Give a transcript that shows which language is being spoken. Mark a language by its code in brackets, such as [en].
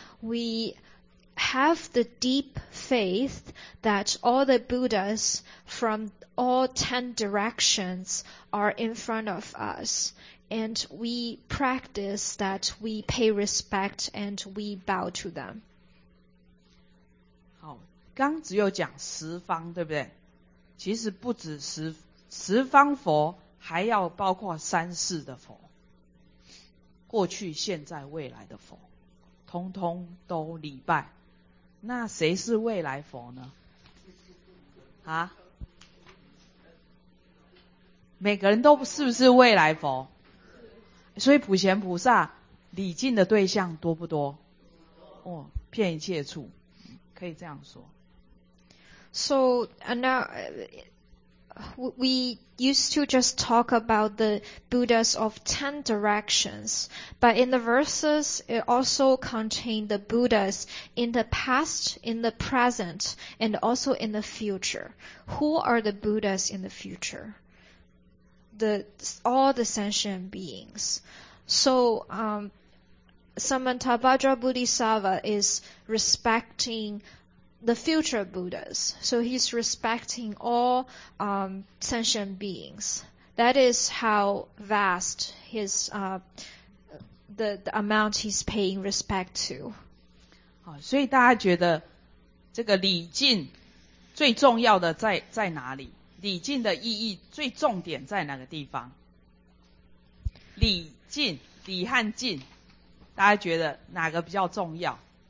[en] We have the deep faith that all the Buddhas from all 10 directions are in front of us. And we practice that we pay respect and we bow to them. [zh] 好，刚只有讲十方，对不对？其实不止十方佛，还要包括三世的佛，过去、现在、未来的佛，通通都礼拜。那谁是未来佛呢？啊？每个人都是不是未来佛？所以普贤菩萨礼敬的对象多不多？哦，遍一切处，可以这样说。 [en] So now we used to just talk about the Buddhas of 10 directions, but in the verses it also contained the Buddhas in the past, in the present, and also in the future. Who are the Buddhas in the future? All the sentient beings. So, Samantabhadra Bodhisattva is respecting the future Buddhas. So he's respecting all sentient beings. That is how vast his the amount he's paying respect to. [zh] 好，所以大家觉得这个礼敬最重要的在哪里？礼敬的意义最重点在哪个地方？礼敬，礼和敬，大家觉得哪个比较重要？